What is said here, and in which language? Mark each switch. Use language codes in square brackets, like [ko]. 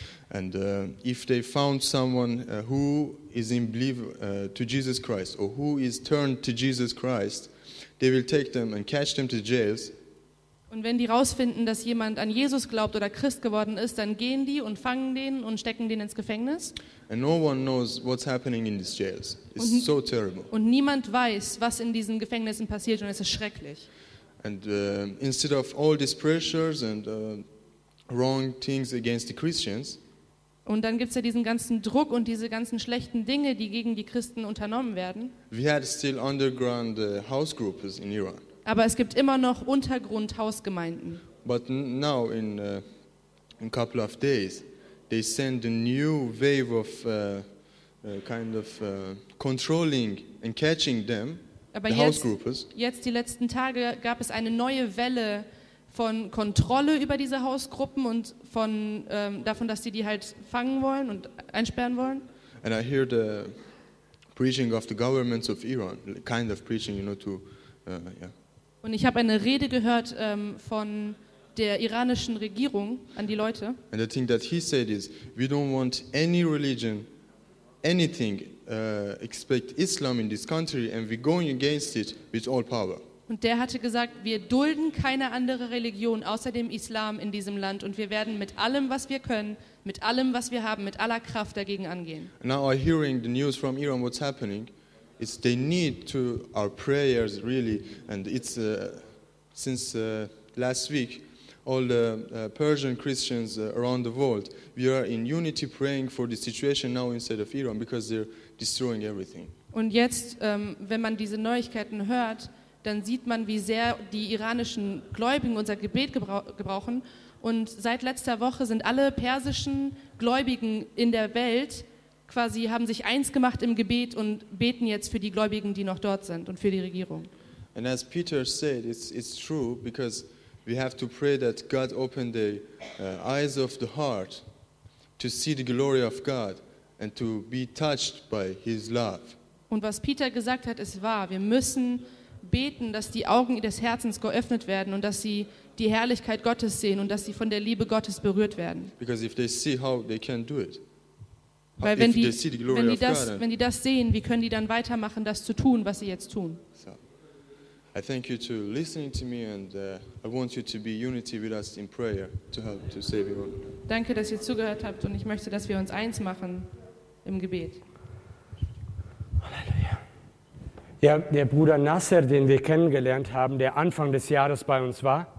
[en] And if they found someone who is in belief to Jesus Christ or who is turned to Jesus Christ, they will take them and catch them to jails. [de] Und wenn die rausfinden, dass jemand an Jesus glaubt oder Christ geworden ist, dann gehen die und fangen den und stecken den ins Gefängnis. [en] And no one knows what's happening in these jails. It's so terrible. [de] Und niemand weiß, was in diesen Gefängnissen passiert und es ist schrecklich. [en] And instead of all these pressures and wrong things against the Christians. [de] Und dann gibt's ja diesen ganzen Druck und diese ganzen schlechten Dinge, die gegen die Christen unternommen werden. [en] We had still underground house groups in Iran. [de] Aber es gibt immer noch Untergrundhausgemeinden. [en] But now in a couple of days they send a new wave of controlling and catching them. [de] Aber the jetzt die letzten Tage gab es eine neue Welle von Kontrolle über diese Hausgruppen und von davon, dass sie die halt fangen wollen und einsperren wollen. [en] And I hear the preaching of the governments of Iran, kind of preaching, you know, to [de] Und ich habe eine Rede gehört von der iranischen Regierung an die Leute. [en] And the thing that he said is, we don't want any religion, anything, except Islam in this country, and we're going against it with all power. [de] Und der hatte gesagt, wir dulden keine andere Religion außer dem Islam in diesem Land, und wir werden mit allem, was wir können, mit allem, was wir haben, mit aller Kraft dagegen angehen. [en] Now I'm hearing the news from Iran, what's happening. It's they need to our prayers really, and it's since last week, all the Persian Christians around the world, we are in unity praying for the situation now inside of Iran because they're destroying everything. [de] Und jetzt, wenn man diese Neuigkeiten hört, dann sieht man, wie sehr die iranischen Gläubigen unser Gebet gebrauchen. Und seit letzter Woche sind alle persischen Gläubigen in der Welt quasi haben sich eins gemacht im Gebet und beten jetzt für die Gläubigen, die noch dort sind und für die Regierung. [en] And as Peter said, it's true because we have to pray that God open the eyes of the heart to see the glory of God and to be touched by his love. [de] Und was Peter gesagt hat, ist wahr. Wir müssen beten, dass die Augen ihres Herzens geöffnet werden und dass sie die Herrlichkeit Gottes sehen und dass sie von der Liebe Gottes berührt werden. [en] Because if they see how they can do it. [de] Weil wenn die das sehen, wie können die dann weitermachen, das zu tun, was sie jetzt tun? [en] So, I thank you to listening to me and I want you to be unity with us in prayer to help to save you. [de] Danke, dass ihr zugehört habt und ich möchte, dass wir uns eins machen im Gebet. Halleluja. Ja, der Bruder Nasser, den wir kennengelernt haben, der Anfang des Jahres bei uns war.